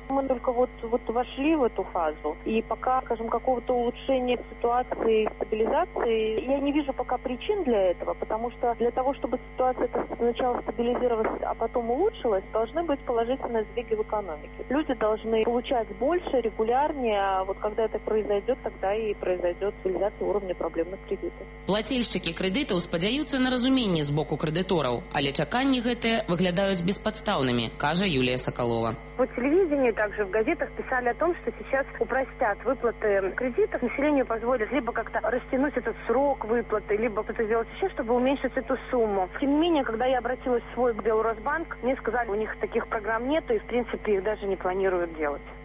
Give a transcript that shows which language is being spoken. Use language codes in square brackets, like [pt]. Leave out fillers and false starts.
[ru] Мы только вот вошли в эту фазу, и пока, скажем, какого-то улучшения ситуации, стабилизации, я не вижу пока причин для этого, потому что для того, чтобы ситуация сначала стабилизировалась, а потом улучшилась, должны быть положительные сдвиги в экономике. Люди должны получать больше, регулярнее, а вот когда это произойдет, тогда и произойдет стабилизация уровня проблемных кредитов. Плательщики кредитов [be] спадзяюцца на разумение с боку кредиторов, але чаканні гэтыя выглядаюць беспадстаўнымі, кажа Юлия Соколова. [ru] По телевидению, также в газетах писали о том, что сейчас упростят выплаты кредитов, населению позволят либо как-то растянуть этот срок выплаты, либо сделать еще, чтобы уменьшить эту сумму. Тем не менее, когда я обратилась в свой Белросбанк, мне сказали, у них таких программ нету и, в принципе, их даже не планируют делать.